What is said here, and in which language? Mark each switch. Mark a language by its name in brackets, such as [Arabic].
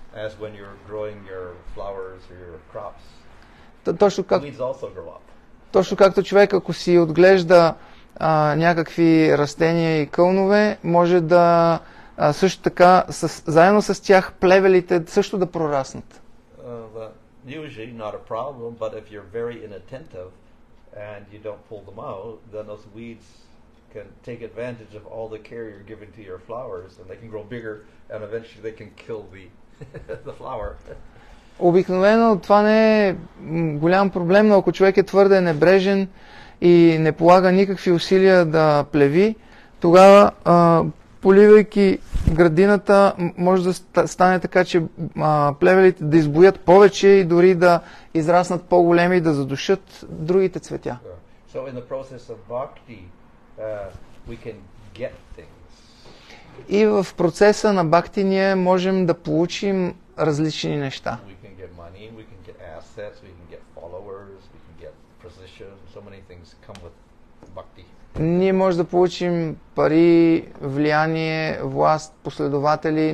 [English] As when you're growing your flowers or your crops. [Bulgarian] Точно как... [English] Weeds also grow up. [Bulgarian] Точно както човек, ако си отглежда някакви растения и кълнове, може да също така, заедно с тях, плевелите също да прораснат. [English] Usually not a problem, but if you're very inattentive and you don't pull them out, then those weeds can take advantage of all the care you're giving to your flowers, and they can grow bigger, and eventually they can kill the flower. [Bulgarian] Обикновено това не е голям проблем, но ако човек е твърде небрежен и не полага никакви усилия да плеви, тогава поливайки градината, може да стане така, че плевелите да избоят повече и дори да израснат по-големи и да задушат другите цветя. [English] So in the process of bhakti, we can get things. [Bulgarian] И в процеса на бхакти ние можем да получим различни неща. [English] We can get money, we can get assets, we can get followers, we can get position, so many things come with bhakti. [Bulgarian] Ние може да получим пари, влияние, власт, последователи.